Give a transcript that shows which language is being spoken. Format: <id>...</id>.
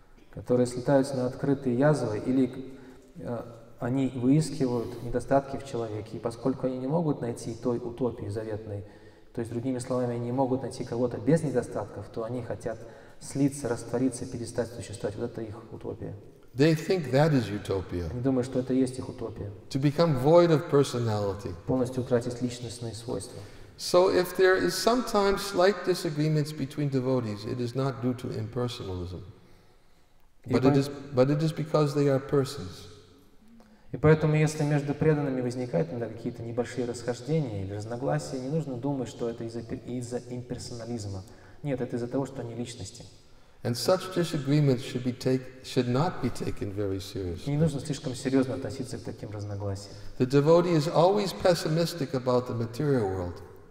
<ru>Которые слетаются на открытые язвы, или они выискивают недостатки в человеке, и поскольку они не могут найти той утопии заветной, то есть, другими словами, они не могут найти кого-то без недостатков, то они хотят слиться, раствориться, перестать существовать. Вот это их утопия.</ru> <en>They think that is utopia.</en> <ru>Они думают, что это есть их утопия.</ru> <en>To become void of personality.</en> <ru>Полностью утратить личностные свойства.</ru> <en>So if there is sometimes slight disagreements between devotees, it is not due to impersonalism. But it is because they are persons.</en> <ru>И поэтому, если между преданными возникают иногда какие-то небольшие расхождения или разногласия, не нужно думать, что это из-за имперсонализма. Нет, это из-за того, что они личности.</ru> <en>And such disagreements should not be taken very seriously.</en> <ru>Не нужно слишком серьезно относиться к таким разногласиям.</ru> <en>The devotee is always pessimistic about the material world.</en>